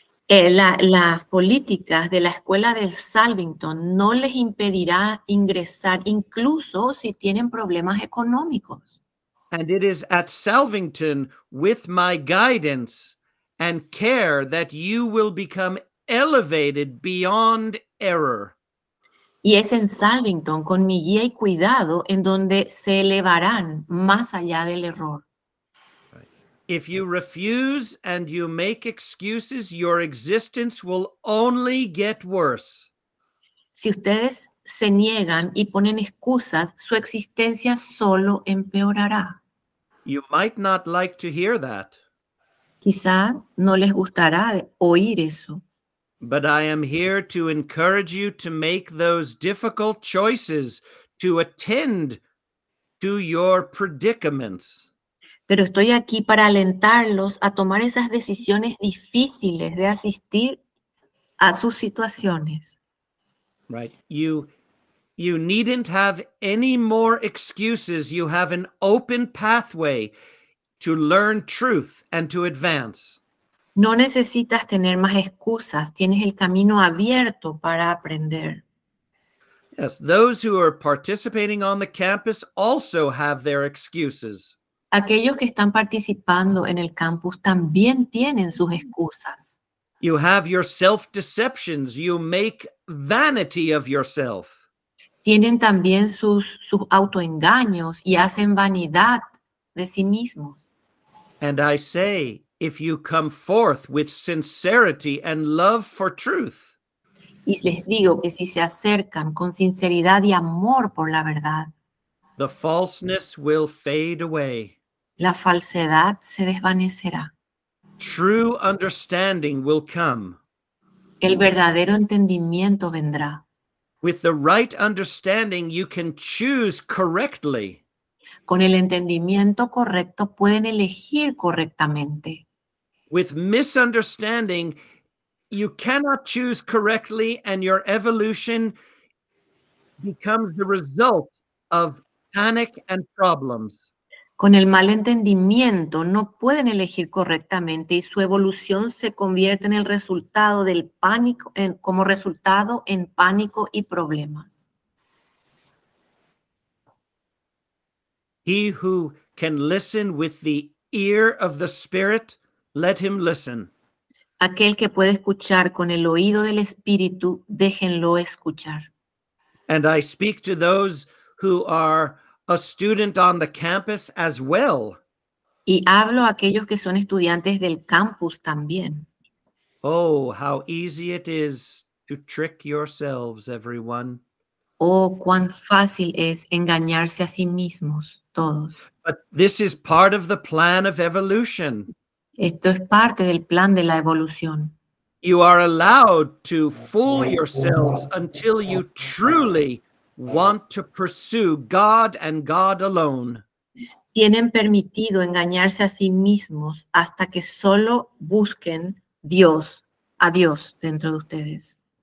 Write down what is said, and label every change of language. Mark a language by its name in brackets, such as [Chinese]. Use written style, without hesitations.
[Spanish] Las políticas de la escuela de Salvington no les impedirá ingresar, incluso si tienen problemas económicos. [English] And it is at Salvington, with my guidance and care, that you will become elevated beyond error. [Spanish] Y es en Salvington, con mi guía y cuidado, en donde se elevarán más allá del error. [English] If you refuse and you make excuses, your existence will only get worse. [Spanish] Si ustedes se niegan y ponen excusas, su existencia solo empeorará. [English] You might not like to hear that. [Spanish] Quizá no les gustará oír eso. [English] But I am here to encourage you to make those difficult choices to attend to your predicaments. [Spanish] Pero estoy aquí para alentarlos a tomar esas decisiones difíciles de asistir a sus situaciones. [English] Right. You needn't have any more excuses. You have an open pathway to learn truth and to advance. [Spanish] No necesitas tener más excusas. Tienes el camino abierto para aprender. [English] Yes, those who are participating on the campus also have their excuses. [Spanish] Aquellos que están participando en el campus también tienen sus excusas. [English] You have your self-deceptions. You make vanity of yourself. [Spanish] Tienen también sus autoengaños y hacen vanidad de sí mismos. [English] And I say, if you come forth with sincerity and love for truth. [Spanish] Y les digo que si se acercan con sinceridad y amor por la verdad, [English] the falseness will fade away. [Spanish] La falsedad se desvanecerá. [English] True understanding will come. [Spanish] El verdadero entendimiento vendrá. [English] With the right understanding, you can choose correctly. [Spanish] Con el entendimiento correcto, pueden elegir correctamente. [English] With misunderstanding, you cannot choose correctly, and your evolution becomes the result of panic and problems. [Spanish] Con el malentendimiento, no pueden elegir correctamente y su evolución se convierte en el resultado del pánico, como resultado en pánico y problemas. [English] He who can listen with the ear of the Spirit, let him listen. [Spanish] Aquel que puede escuchar con el oído del Espíritu, déjenlo escuchar. [English] And I speak to those who are a student on the campus as well. [Spanish] Y hablo a aquellos que son estudiantes del campus también. [English] Oh, how easy it is to trick yourselves, everyone. [Spanish] Oh, cuán fácil es engañarse a sí mismos, todos. [English] But this is part of the plan of evolution. [Spanish] Esto es parte del plan de la evolución. [English] You are allowed to fool yourselves until you truly want to pursue God and God alone. [Spanish] Tienen permitido engañarse a sí mismos hasta que solo busquen Dios, a Dios dentro de ustedes.